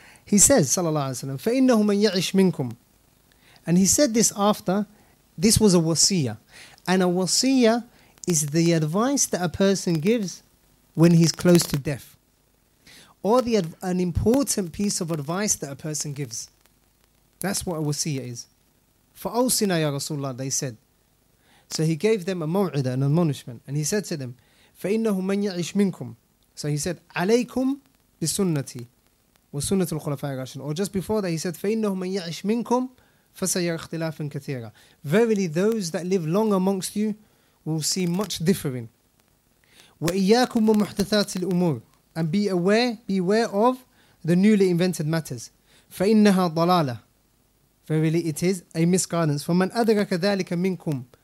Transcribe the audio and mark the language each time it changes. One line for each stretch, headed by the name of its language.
English: He says, sallallahu alaihi wasallam,
Arabic: فَإِنَّهُ مَنْ يَعِشْ مِنْكُمْ.
English: And he said this after, this was a wasiyah. And a wasiyah is the advice that a person gives when he's close to death. Or an important piece of advice that a person gives. That's what a wasiyah is.
Arabic: فَأَوْصِنَا يَا رَسُولُ اللَّهِ,
English: they said. So he gave them a maw'idah, an admonishment. And he said to them,
Arabic: فَإِنَّهُ مَنْ يَعِشْ مِنْكُمْ.
English: So he said,
Arabic: عَلَيْكُمْ بِسُنَّتِي وَسُنَّةُ الْخُلَفَاءِ الرَّاشِدِينَ.
English: Or just before that, he said,
Arabic: فَإِنَّهُ مَنْ يَعِشْ مِنْكُمْ فَسَيَرَى اخْتِلَافًا كَثِيرًا.
English: Verily, those that live long amongst you will see much differing.
Arabic: وَإِيَّاكُمْ وَمُحْدَثَاتِ الْأُمُورِ.
English: And beware of the newly invented matters.
Arabic: فَإِنَّهَا ضَلَالَةٌ.
English: Verily, it is a misguidance.
Arabic: فَمَنْ أَدْرَكَ ذَلِكَ مِنْكُمْ.